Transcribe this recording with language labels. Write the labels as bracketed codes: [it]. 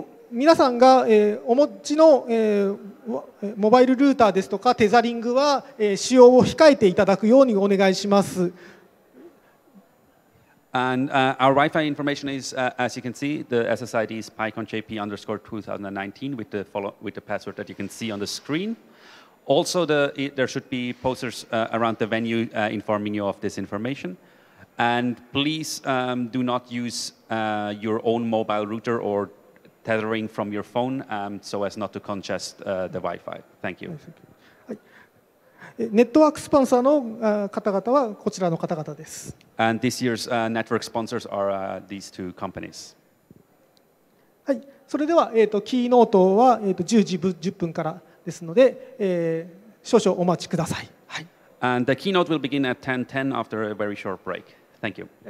[ja] 皆さんが、お持ちの、モバイルルーターですとかテザリングは、使用を控えていただくようにお願いします。 [en] And our Wi-Fi information is, as you can see, the SSID is PyConJP_2019 with the password that you can see on the screen. Also, there should be posters around the venue informing you of this information. And please do not use your own mobile router or tethering from your phone so as not to congest the Wi-Fi. Thank you. [ja] Network sponsor の方々はこちらの方々です。 [en] And this year's network sponsors are these two companies. [ja] はい、それではキーノートは10時10分からですので、少々お待ちください。はい。 [en] And the keynote will begin at 10:10 after a very short break. Thank you.